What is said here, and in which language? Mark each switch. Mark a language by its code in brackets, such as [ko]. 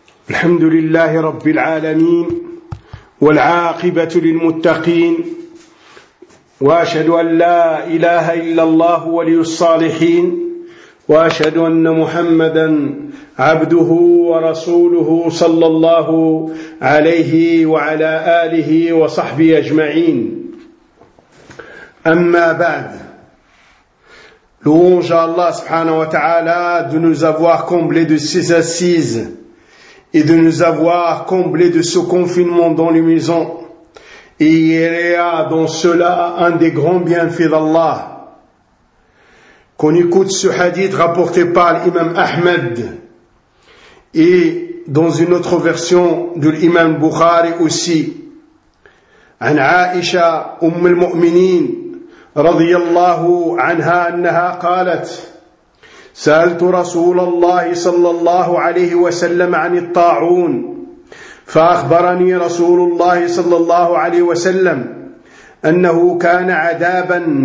[ar] الحمد لله رب العالمين، والعاقبة للمتقين، وأشهد أن لا إله إلا الله ولي الصالحين، وأشهد أن محمدًا عبده ورسوله صلى الله عليه وعلى آله وصحبه أجمعين. أما بعد، [fr] louange à Allah subhanahu wa ta'ala de nous avoir comblés de ces assises et de nous avoir comblés de ce confinement dans les maisons. Et il y a dans cela un des grands bienfaits d'Allah. Qu'on écoute ce hadith rapporté par l'imam Ahmed et dans une autre version de l'imam Bukhari aussi. [ar] An Aisha, Umm al-Mu'minin رضي الله عنها أنها قالت سألت رسول الله صلى الله عليه وسلم عن الطاعون فأخبرني رسول الله صلى الله عليه وسلم أنه كان عذابا